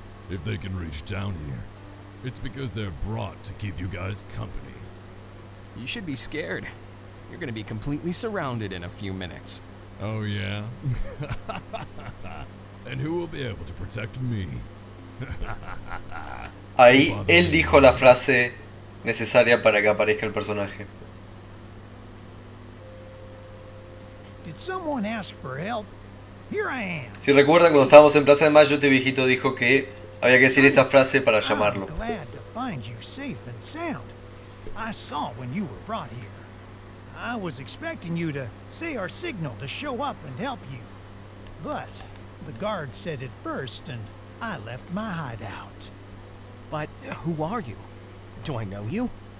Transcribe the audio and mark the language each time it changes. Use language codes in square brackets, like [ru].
[en] If they can reach down here, it's because they're brought to keep you guys company. You should be scared. You're gonna be completely surrounded in a few minutes. Oh yeah? And who will be able to protect me? [es] Ahí él dijo la frase necesaria para que aparezca el personaje. [en] Did someone ask for help? Here I am. [es] Si recuerdan, cuando estábamos en Plaza de Mayo, este viejito dijo que había que decir esa frase para llamarlo. [en] I'm glad to find you safe and sound. I saw when you were brought here. I was expecting you to say our signal to show up and help you. But the guard said it first and I left my hideout. But who are you? Do I know you?